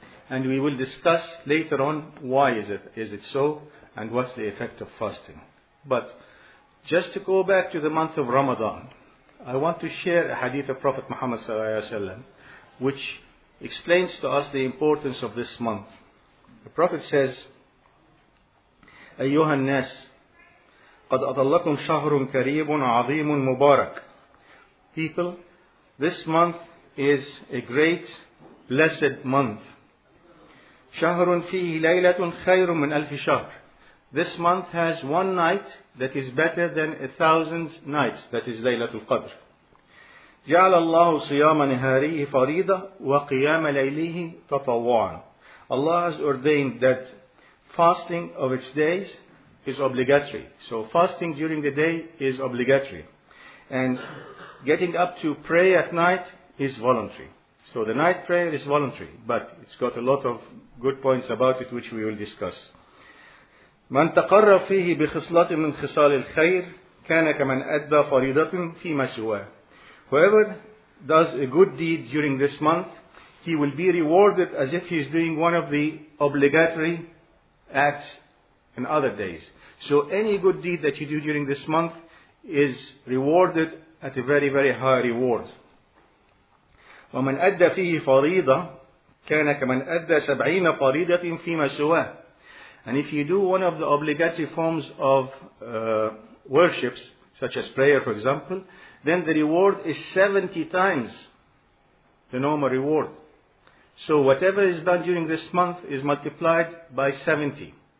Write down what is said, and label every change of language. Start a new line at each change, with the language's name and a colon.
English: And we will discuss later on why is it so and what's the effect of fasting. But just to go back to the month of Ramadan, I want to share a hadith of Prophet Muhammad sallallahu alaihi wasallam, which explains to us the importance of this month. The Prophet says,
Arabic: أيها الناس قد أطلقكم شهر كريم عظيم مبارك.
English: People, this month is a great blessed month.
Arabic: شهر فيه ليلة خير من ألف شهر.
English: This month has one night that is better than 1,000 nights, that is ليلة القدر.
Arabic: جعل الله صيام نهاريه فريضة وقيام ليله تطوعا.
English: Allah has ordained that fasting of its days is obligatory. So fasting during the day is obligatory. And getting up to pray at night is voluntary. So the night prayer is voluntary, but it's got a lot of good points about it which we will discuss.
Arabic: من تقرب فيه بخصلة من خصال الخير كان كمن أدى فريضة فيما سواه.
English: Whoever does a good deed during this month, he will be rewarded as if he is doing one of the obligatory acts in other days. So any good deed that you do during this month is rewarded at a very, very high reward.
Arabic: ومن أدى فيه فريضة كان كمن أدى سبعين فريضة فيما سواه.
English: And if you do one of the obligatory forms of worships, such as prayer, for example, then the reward is 70 times the normal reward. So whatever is done during this month is multiplied by 70.